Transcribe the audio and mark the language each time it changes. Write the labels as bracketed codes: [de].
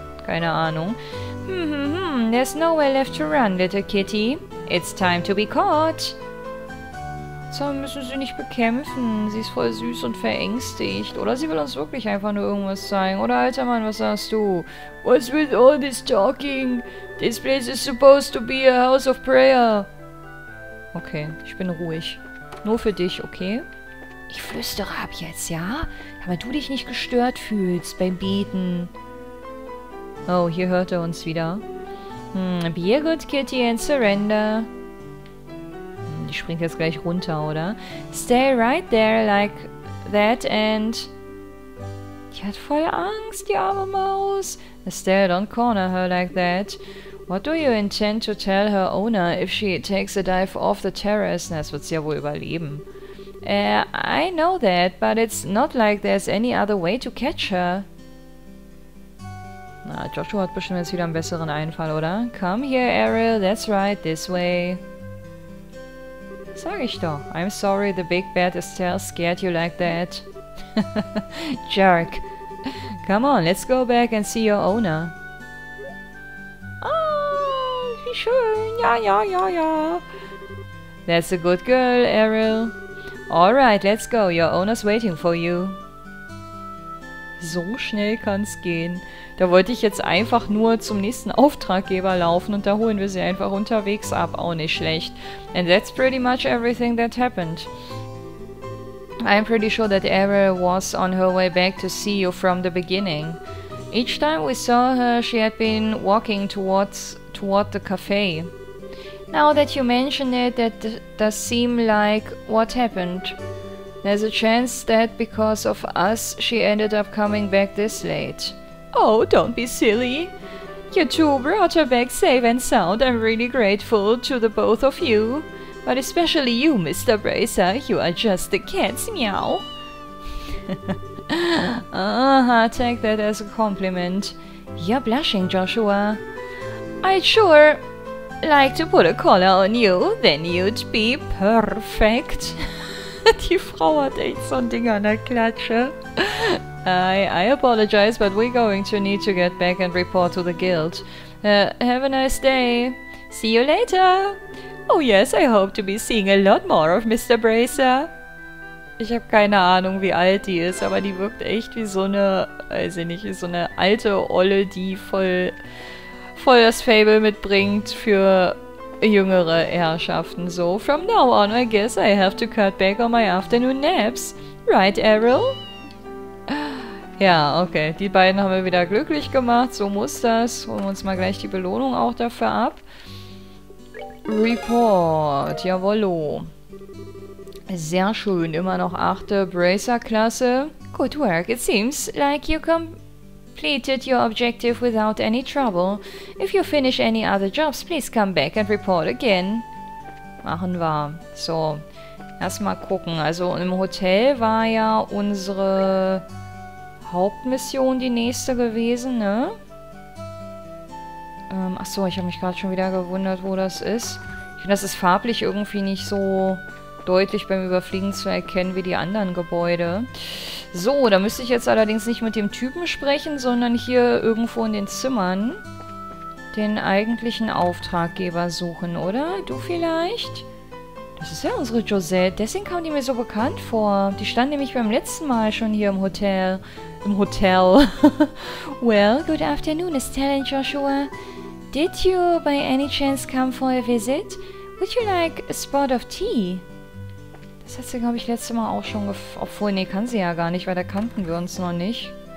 [de] Keine Ahnung. [en] There's nowhere left to run, little kitty. It's time to be caught. [de] So, müssen sie nicht bekämpfen. Sie ist voll süß und verängstigt. Oder sie will uns wirklich einfach nur irgendwas zeigen. Oder, alter Mann, was sagst du? [en] What's with all this talking? This place is supposed to be a house of prayer. [de] Okay, ich bin ruhig. Nur für dich, okay? Ich flüstere ab jetzt, ja? Damit du dich nicht gestört fühlst beim Beten. Oh, hier hört er uns wieder. [en] Be a good kitty and surrender. [de] Die springt jetzt gleich runter, oder? [en] Stay right there like that and... [de] Die hat voll Angst, die arme Maus. [en] Estelle, don't corner her like that. What do you intend to tell her owner if she takes a dive off the terrace? [de] Das wird sie ja wohl überleben. [en] I know that, but it's not like there's any other way to catch her. [de] Na, Joshua hat bestimmt jetzt wieder einen besseren Einfall, oder? [en] Come here, Ariel, that's right, this way. [de] Sag ich doch. [en] I'm sorry, the big bad Estelle scared you like that. Jerk. Come on, let's go back and see your owner. [de] Ah, wie schön. Ja, ja, ja, ja. [en] That's a good girl, Ariel. Alright, let's go. Your owner's waiting for you. [de] So schnell kann's gehen. Da wollte ich jetzt einfach nur zum nächsten Auftraggeber laufen und da holen wir sie einfach unterwegs ab. Auch nicht schlecht. [en] And that's pretty much everything that happened. I'm pretty sure that Ariel was on her way back to see you from the beginning. Each time we saw her, she had been walking toward the cafe. Now that you mention it, that does seem like what happened. There's a chance that because of us, she ended up coming back this late. Oh, don't be silly. You two brought her back safe and sound. I'm really grateful to the both of you. But especially you, Mr. Bracer, you are just the cat's meow. I take that as a compliment. You're blushing, Joshua. I'd sure like to put a collar on you, then you'd be perfect. [de] Die Frau hat echt so ein Ding an der Klatsche. [en] I apologize, but we're going to need to get back and report to the guild. Have a nice day. See you later. Oh yes, I hope to be seeing a lot more of Mr. Bracer. [de] Ich habe keine Ahnung, wie alt die ist, aber die wirkt echt wie so eine, weiß ich nicht, wie so eine alte Olle, die voll das Fable mitbringt für jüngere Herrschaften. [en] So, from now on, I guess I have to cut back on my afternoon naps. Right, Errol? [de] Ja, okay. Die beiden haben wir wieder glücklich gemacht. So muss das. Holen wir uns mal gleich die Belohnung auch dafür ab. Report. Jawollo. Sehr schön. Immer noch 8. Bracer-Klasse. [en] Good work. It seems like you completed your objective without any trouble. If you finish any other jobs, please come back and report again. [de] Machen wir. So. Erstmal gucken. Also im Hotel war ja unsere Hauptmission die nächste gewesen, ne? Achso, ich habe mich gerade schon wieder gewundert, wo das ist. Ich finde, das ist farblich irgendwie nicht so deutlich beim Überfliegen zu erkennen wie die anderen Gebäude. So, da müsste ich jetzt allerdings nicht mit dem Typen sprechen, sondern hier irgendwo in den Zimmern den eigentlichen Auftraggeber suchen, oder? Du vielleicht? Das ist ja unsere Josette. Deswegen kam die mir so bekannt vor. Die stand nämlich beim letzten Mal schon hier im Hotel. Im Hotel. [en] Well, good afternoon, Estelle and Joshua. Did you by any chance come for a visit? Would you like a spot of tea? [de] Das hat sie, glaube ich, letztes Mal auch schon obwohl, nee, kann sie ja gar nicht, weil da kannten wir uns noch nicht.